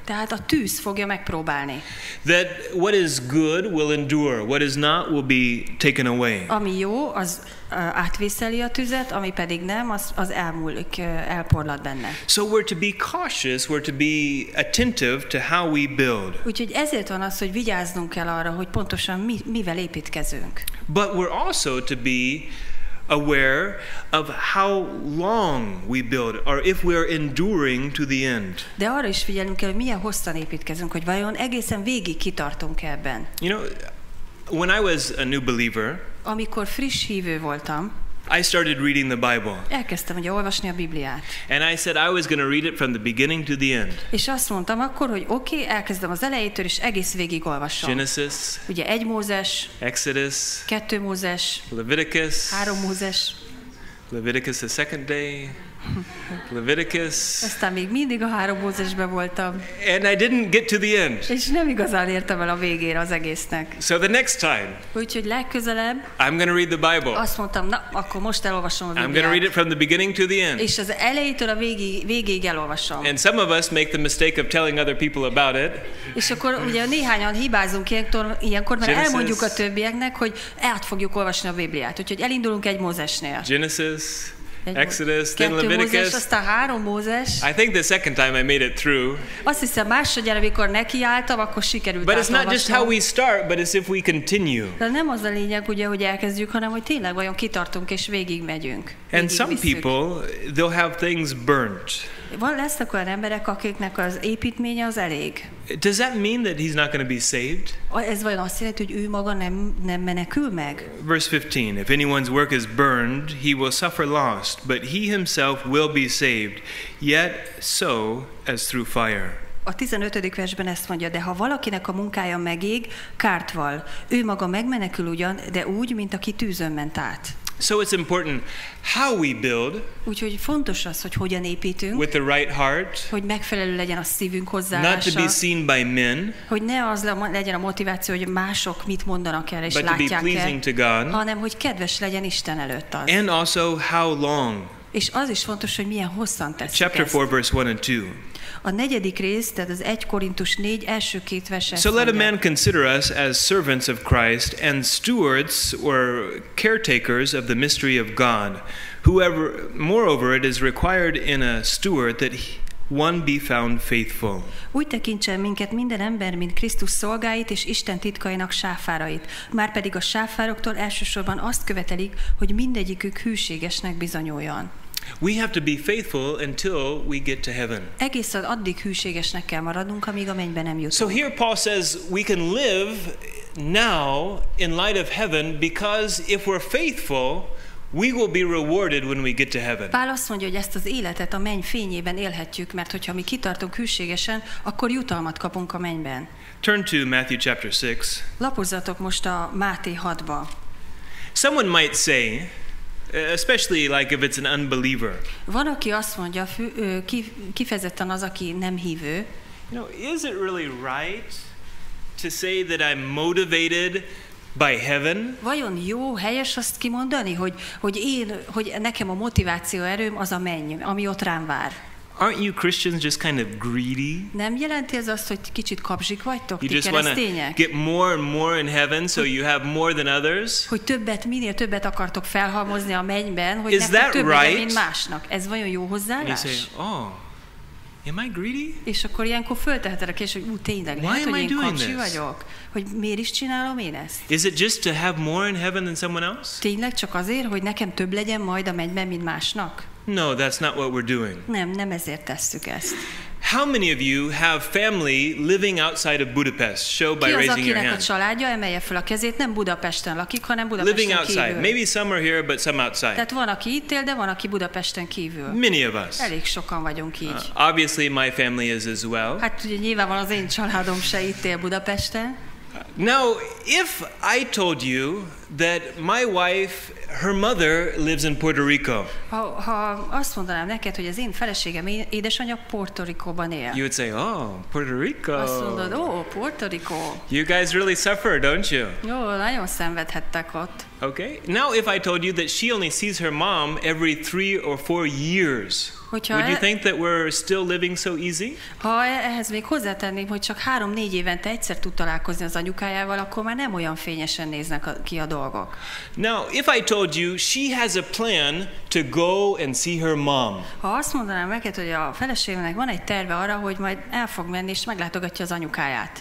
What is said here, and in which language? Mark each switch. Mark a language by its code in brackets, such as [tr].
[hu] Tehát a tűz fogja megpróbálni. [en] That what is good will endure, what is not will be taken away. [hu] Ami jó, az átvészeli a tüzet, ami pedig nem, az elmúlik, elporlad benne. [en] So we're to be cautious, we're to be attentive to how we build. [hu] Úgyhogy ezért van az, hogy vigyáznunk kell arra, hogy pontosan mivel építkezünk. [en] But we're also to be aware of how long we build, or if we are enduring to the end. [hu] De arra is figyelnünk kell, hogy milyen hosszan építkezünk, hogy vajon egészen végig kitartunk ebben. [en] You know, when I was a new believer, [hu] amikor friss hívő voltam, [en] I started reading the Bible. [hu] Elkezdtem ugye olvasni a Bibliát. [en] And I said I was going to read it from the beginning to the end. [hu] És azt mondtam akkor, hogy oké, elkezdem az elejétől és egész végig olvasom. [en] Genesis. [hu] Ugye 1 Mózes. [en] Exodus. [hu] 2 Mózes. [en] Leviticus. [hu] 3 Mózes. [en] Leviticus the second day. Leviticus. [hu] Aztán még mindig a három mózesben voltam. [en] And I didn't get to the end. [hu] És nem igazán értem el a végére az egésznek. [en] So the next time. [hu] Úgyhogy legközelebb. [en] I'm going to read the Bible. [hu] Azt mondtam, na, akkor most elolvasom a Bibliát. [en] I'm going to read it from the beginning to the end. [hu] És az elejétől a végéig elolvasom. [en] And some of us make the mistake of telling other people about it. [hu] És akkor ugye néhányan hibázunk ilyenkor, mert elmondjuk a többieknek, hogy át fogjuk olvasni a Bibliát. Úgyhogy elindulunk egy Mózesnél. [en] Genesis. Exodus, then Leviticus. [hu] Mózes, aztán három Mózes. [en] I think the second time I made it through. [hu] Azt hiszem, másodjára, amikor nekiálltam, akkor sikerült átolvasni. [en] But it's not just how we start, but it's if we continue. [hu] De nem az a lényeg, ugye, hogy elkezdjük, hanem hogy tényleg vajon kitartunk és végigmegyünk. [en] And some people, they'll have things burnt. [hu] Van lesznek olyan emberek, akiknek az építménye az elég. [en] Does that mean that he's not going to be saved? [hu] Ez vajon azt jelenti, hogy ő maga nem menekül meg? [en] Verse 15. If anyone's work is burned, he will suffer loss, but he himself will be saved, yet so as through fire. [hu] A 15. versben ezt mondja, de ha valakinek a munkája megég, kárt val. Ő maga megmenekül ugyan, de úgy, mint aki tűzön ment át. [en] So it's important how we build. [hu] Úgyhogy fontos az, hogy hogyan építünk. [en] With the right heart. [hu] Hogy megfelelő legyen a szívünk hozzá. [en] Not to be seen by men. [hu] Hogy ne az legyen a motiváció, hogy mások mit mondanak el és látják el. [en] But to be pleasing to God. [hu] Hanem hogy kedves legyen Isten előtt az. [en] And also how long. [hu] És az is fontos, hogy milyen hosszan teszik ezt. [en] Chapter 4, verse 1 and 2. [hu] A negyedik rész, tehát az 1 Korintus 4 első két verse. [en] So let a man consider us as servants of Christ and stewards or caretakers of the mystery of God. Whoever, moreover, it is required in a steward that one be found faithful. [hu] Úgy tekintsen minket minden ember, mint Krisztus szolgáit és Isten titkainak sáfárait. Márpedig a sáfároktól elsősorban azt követelik, hogy mindegyikük hűségesnek bizonyuljon. [en] We have to be faithful until we get to heaven. [hu] Egészen addig hűségesnek kell maradnunk, amíg a mennybe nem jutunk. [en] So here Paul says we can live now in light of heaven because if we're faithful, we will be rewarded when we get to heaven. [hu] Pál azt mondja, hogy ezt az életet a menny fényében élhetjük, mert hogyha mi kitartunk hűségesen, akkor jutalmat kapunk a mennyben. [en] Turn to Matthew chapter 6. [hu] Lapozzatok most a Máté 6-ba. [en] Someone might say, especially like if it's an unbeliever. [hu] Van, aki azt mondja, kifejezetten az, aki nem hívő. [en] You know, is it really right to say that I'm motivated by heaven? [hu] Vajon jó, helyes azt kimondani, hogy nekem a motiváció erőm az a menny, ami ott rám vár? [en] Aren't you Christians just kind of greedy? [hu] Nem jelenti ez azt, hogy kicsit kapzsik vagytok, ti keresztények? [en] Get more and more in heaven, so you have more than others. [hu] Hogy többet, minél többet akartok felhalmozni a mennyben, hogy nektek több legyen, mint másnak. Ez vajon jó hozzáállás? [en] Am I greedy? [hu] És akkor ilyenkor föltehetek a kérdést, hogy tényleg lehet, hogy én kapcsi vagyok? Hogy miért is csinálom én ezt? [en] Is it just to have more in heaven than someone else? [hu] Tényleg csak azért, hogy nekem több legyen majd a mennyben, mint másnak? [en] No, that's not what we're doing. [hu] Nem ezért tesszük ezt. [en] How many of you have family living outside of Budapest? Show by raising your hand. [hu] Ki az, akinek a családja, emelje fel a kezét, nem Budapesten lakik, hanem Budapesten kívül. [en] Living outside. Maybe some are here, but some outside. [hu] Tehát van, aki itt él, de van, aki Budapesten kívül. [en] Many of us. [hu] Elég sokan vagyunk így. [en] Obviously my family is as well. [hu] Hát ugye nyilvánvalóan az én családom se itt él Budapesten. [en] Now, if I told you that my wife, her mother lives in Puerto Rico. [hu] Ha azt mondanám neked, hogy az én feleségem édesanyja Puerto Rico-ban él. [en] You would say, oh, Puerto Rico. [hu] Azt mondod, oh, Puerto Rico. [en] You guys really suffer, don't you? [hu] Jó, nagyon szenvedhettek ott. [en] Okay. Now if I told you that she only sees her mom every 3 or 4 years, would you think that we're still living so easy? [hu] Ha ehhez még hozzátenném, hogy csak 3-4 évente egyszer tud találkozni az anyukájával, akkor már nem olyan fényesen néznek ki a dolgok. [en] Now, if I told you she has a plan to go and see her mom. [hu] Ha azt mondanám neked, hogy a feleségének van egy terve arra, hogy majd el fog menni és meglátogatja az anyukáját.